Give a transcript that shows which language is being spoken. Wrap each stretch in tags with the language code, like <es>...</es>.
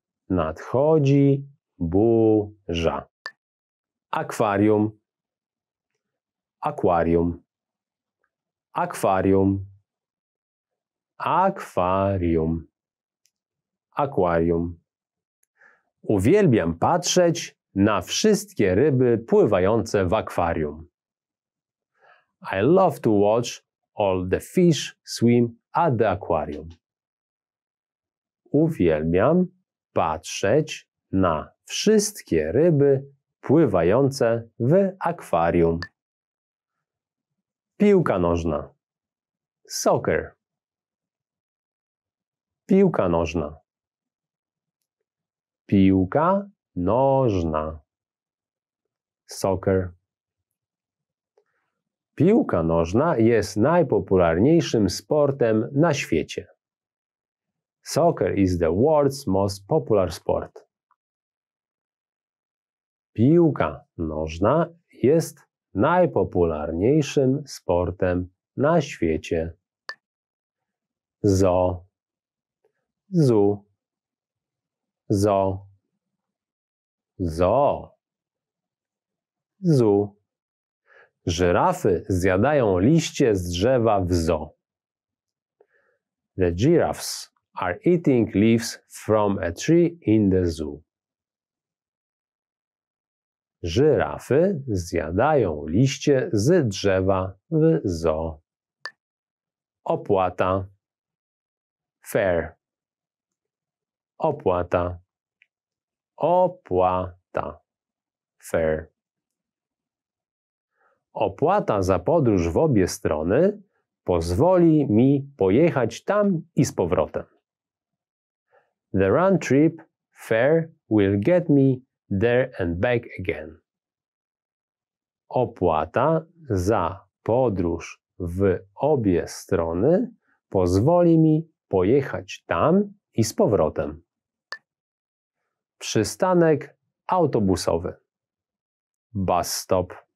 <pl>Nadchodzi burza. Akwarium. Akwarium. Akwarium. Akwarium. Akwarium. Uwielbiam patrzeć na wszystkie ryby pływające w akwarium.</pl> <en>I love to watch all the fish swim at the aquarium.</en> <pl>Uwielbiam patrzeć na wszystkie ryby pływające w akwarium. Piłka nożna.</pl> <en>Soccer.</en> <pl>Piłka nożna. Piłka nożna.</pl> <en>Soccer.</en> <pl>Piłka nożna jest najpopularniejszym sportem na świecie.</pl> <en>Soccer is the world's most popular sport.</en> <pl>Piłka nożna jest najpopularniejszym sportem na świecie. Zoo. Zoo. Zoo. Zoo. Zoo. Żyrafy zjadają liście z drzewa w zoo.</pl> <en>The giraffes are eating leaves from a tree in the zoo.</en> <pl>Żyrafy zjadają liście z drzewa w zoo. Opłata.</pl> <en>Fare.</en> <pl>Opłata. Opłata.</pl> <en>Fare.</en> <pl>Opłata za podróż w obie strony pozwoli mi pojechać tam i z powrotem.</pl> <en>The round trip fare will get me there and back again.</en> <pl>Opłata za podróż w obie strony pozwoli mi pojechać tam i z powrotem. Przystanek autobusowy.</pl> <en>Bus stop.</en>